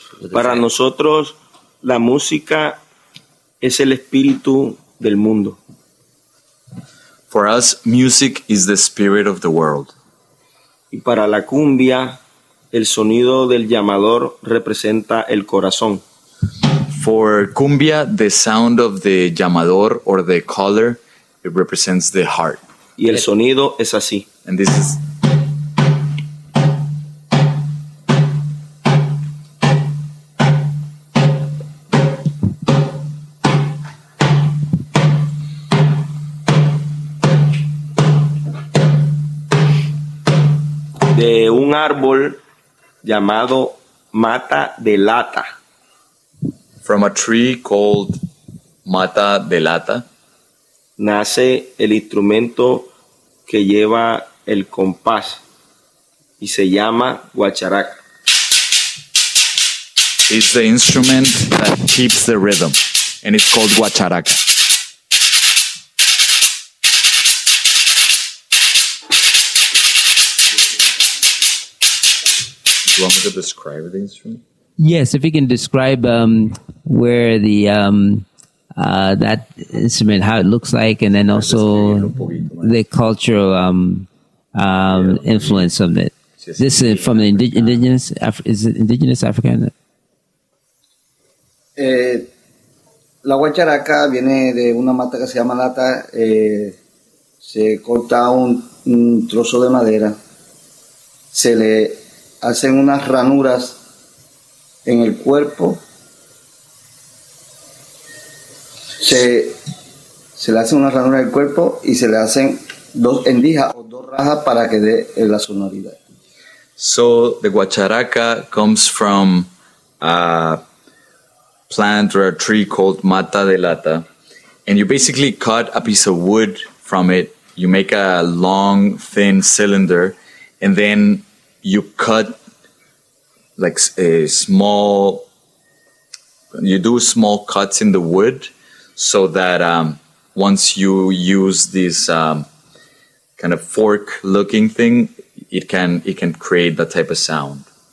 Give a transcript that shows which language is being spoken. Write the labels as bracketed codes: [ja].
[es] Para nosotros, la música es el espíritu del mundo. [en] For us, music is the spirit of the world. [es] Y para la cumbia, el sonido del llamador representa el corazón. [en] For cumbia, the sound of the llamador or the caller, it represents the heart. [es] Y el sonido es así. [en] And this is... [es] de un árbol llamado mata de lata. [en] From a tree called mata de lata [es] nace el instrumento que lleva el compás y se llama guacharaca. [en] It's the instrument that keeps the rhythm, and it's called guacharaca. Do you want me to describe the instrument? Yes, if you can describe where the that instrument, how it looks like, and then also the cultural influence of it. This is from the indigenous African. [es] La guacharaca viene de una mata que se llama lata. Se corta un trozo de madera. Se le hacen unas ranuras en el cuerpo. Se se le hace una ranura del cuerpo y se le hacen dos endijas o dos rajas para que dé la sonoridad. [en] So the guacharaca comes from a plant or a tree called mata de lata, and you basically cut a piece of wood from it. You make a long, thin cylinder, and then you cut like a small, you do small cuts in the wood so that once you use this kind of fork looking thing, it can create that type of sound.